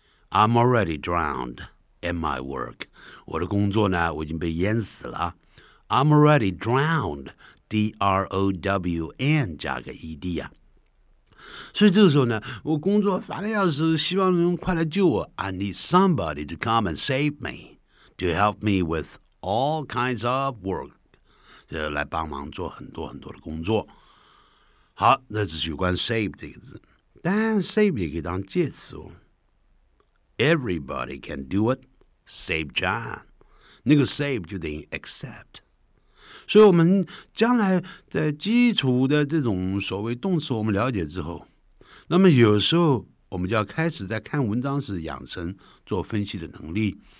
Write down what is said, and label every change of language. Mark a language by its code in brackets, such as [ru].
[en] I'm already drowned in my work， [zh] 我的工作呢我已经被淹死了。 [en] I'm already drowned， D [zh] D-R-O-W-N 加个 ED 啊。所以这个时候呢，我工作烦了要死，希望人快来救我。 [en] I need somebody to come and save me, to help me with all kinds of work. [zh] 来帮忙做很多很多的工作。好，那只是有关 save 这个字。但 save 也可以当介词哦。 [en] Everybody can do it, save John. [zh] 那个 save 就等于 accept。所以我们将来在基础的这种所谓动词我们了解之后，那么有时候我们就要开始在看文章时养成做分析的能力。